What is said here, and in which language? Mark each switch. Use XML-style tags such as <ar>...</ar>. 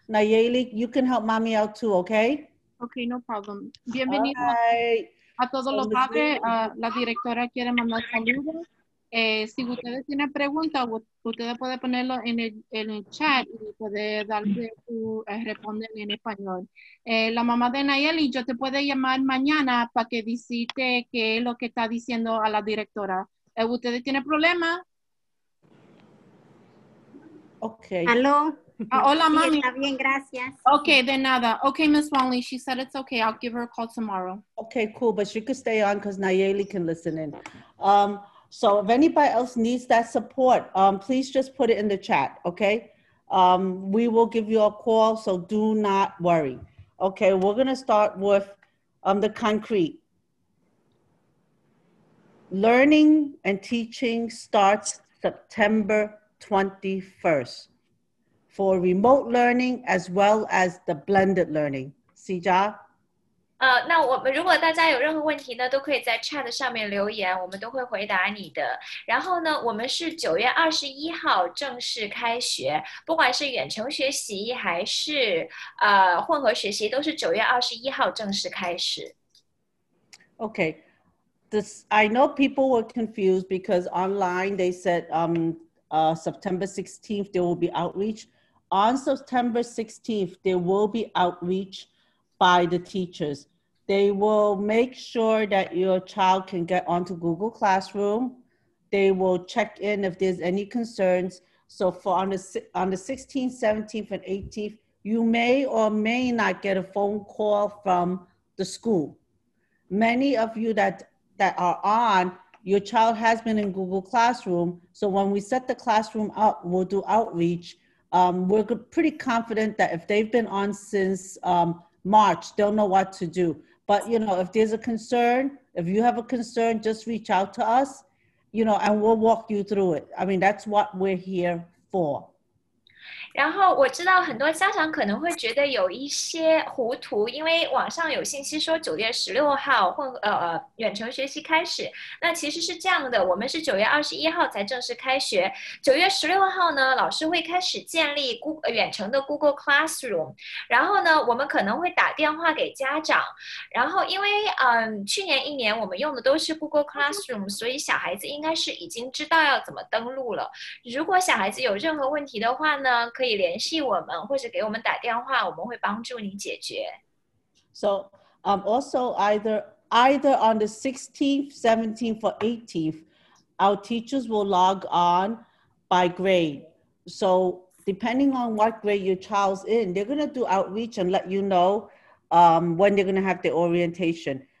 <en>Nayeli, you can help mommy out too, okay? Okay, no problem.</en> <es>Bienvenido.</es> <en>Bye.</en> <es>A todos los padres, la directora quiere mandar saludos. Si ustedes tienen preguntas, ustedes pueden ponerlo en el chat y poder darle su responder en español. La mamá de Nayeli, yo te puedo llamar mañana para que visite qué es lo que está diciendo a la directora. ¿Ustedes tienen problemas?</es> <en>Okay.</en> <es>Aló. Hola, sí, mami. Está bien, gracias. Okay, de nada.</es> <en>Okay, Miss Wangley, she said it's okay. I'll give her a call tomorrow. Okay, cool. But she could stay on because Nayeli can listen in. So if anybody else needs that support, please just put it in the chat, okay? We will give you a call, so do not worry. Okay, we're going to start with the concrete. Learning and teaching starts September 21st. For remote learning as well as the blended learning. Sijia?</en> <zh>那我们如果大家有任何问题呢，都可以在 chat 上面留言，我们都会回答你的。然后呢，我们是9月21号正式开学，不管是远程学习还是混合学习，都是9月21号正式开始。</zh> <en>Okay. This, I know people were confused because online they said September 16th there will be outreach. On September 16th, there will be outreach by the teachers. They will make sure that your child can get onto Google Classroom. They will check in if there's any concerns. So for on the 16th, 17th, and 18th, you may or may not get a phone call from the school. Many of you that are on, your child has been in Google Classroom. So when we set the classroom up, we'll do outreach. We're pretty confident that if they've been on since March, they'll know what to do. But, you know, if there's a concern, if you have a concern, just reach out to us, you know, and we'll walk you through it. I mean, that's what we're here for.</en> <zh>然后我知道很多家长可能会觉得有一些糊涂，因为网上有信息说9月16号远程学习开始，那其实是这样的，我们是9月21号才正式开学。 9月16号呢，老师会开始建立远程的 Google Classroom， 然后呢，我们可能会打电话给家长，然后因为去年一年我们用的都是 Google Classroom， 所以小孩子应该是已经知道要怎么登录了。如果小孩子有任何问题的话呢，可以联系我们，或者给我们打电话，我们会帮助你解决。</zh> <en>So, also either on the 16th, 17th, or 18th, our teachers will log on by grade. So depending on what grade your child's in, they're going to do outreach and let you know when they're going to have the orientation.</en>